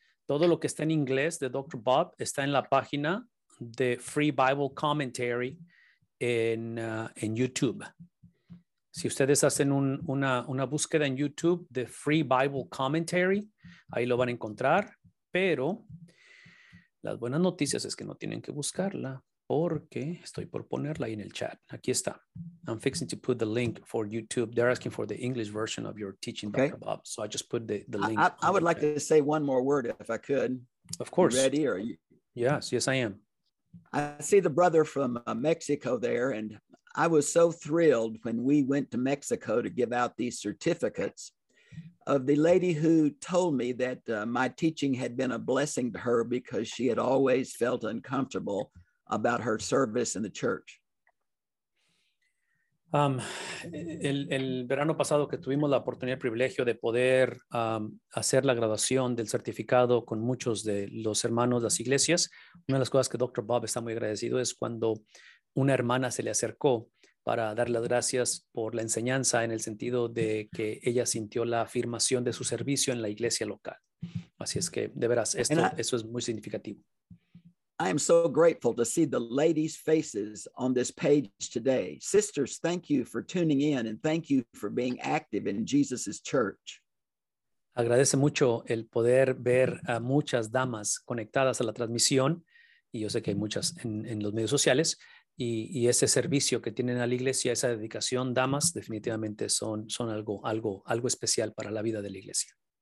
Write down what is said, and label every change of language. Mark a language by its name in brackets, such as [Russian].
[Spanish] Todo lo que está en inglés de Dr. Bob está en la página de Free Bible Commentary en YouTube. Si ustedes hacen una búsqueda en YouTube de Free Bible Commentary, ahí lo van a encontrar, pero las buenas noticias es que no tienen que buscarla porque estoy por ponerla ahí en el chat. Aquí está. [English] I'm fixing to put the link for YouTube. They're asking for the English version of your teaching, okay. Dr. Bob. So I just put the link. I would like to say one more word if I could. Of course. Ready? Or you? Yes, I am. I see the brother from Mexico there, and I was so thrilled when we went to Mexico to give out these certificates of the lady who told me that my teaching had been a blessing to her because she had always felt uncomfortable about her service in the church. [Spanish] El verano pasado que tuvimos la oportunidad y privilegio de poder hacer la graduación del certificado con muchos de los hermanos de las iglesias, una de las cosas que Dr. Bob está muy agradecido es cuando una hermana se le acercó para dar las gracias por la enseñanza en el sentido de que ella sintió la afirmación de su servicio en la iglesia local. Así es que, de veras, eso es muy significativo. [English] I am so grateful to see the ladies' faces on this page today. Sisters, thank you for tuning in and thank you for being active in Jesus's church. [Spanish] Agradece mucho el poder ver a muchas damas conectadas a la transmisión, y yo sé que hay muchas en los medios sociales, y ese servicio que tienen a la iglesia, esa dedicación, damas, definitivamente son algo especial para la vida de la iglesia.